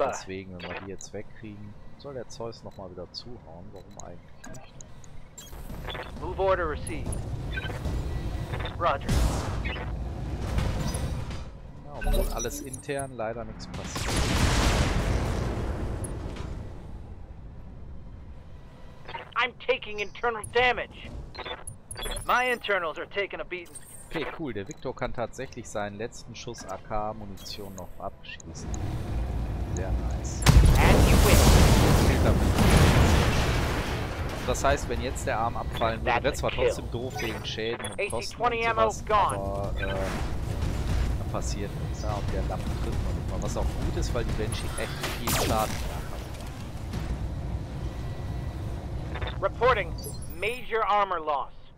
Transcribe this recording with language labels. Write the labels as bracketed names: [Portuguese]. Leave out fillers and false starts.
[German] Deswegen, wenn wir die jetzt wegkriegen, soll der Zeus nochmal wieder zuhauen. Warum eigentlich nicht? [English] Move order received. Roger. [German] Ja, obwohl alles intern, leider nichts passiert. [English] I'm taking internal damage. My internals are taking a beating. [German] Okay, cool. Der Victor kann tatsächlich seinen letzten Schuss AK Munition noch abschießen. Sehr nice. [English] And you win. [German] Das heißt, wenn jetzt der Arm abfallen würde, wäre zwar trotzdem doof wegen Schäden und Kosten und sowas, aber dann passiert nichts. Ja, und der Lappen trifft noch nicht mal. Was auch gut ist, weil die Banshee echt viel Schaden machen. [English] Reporting. Major armor loss.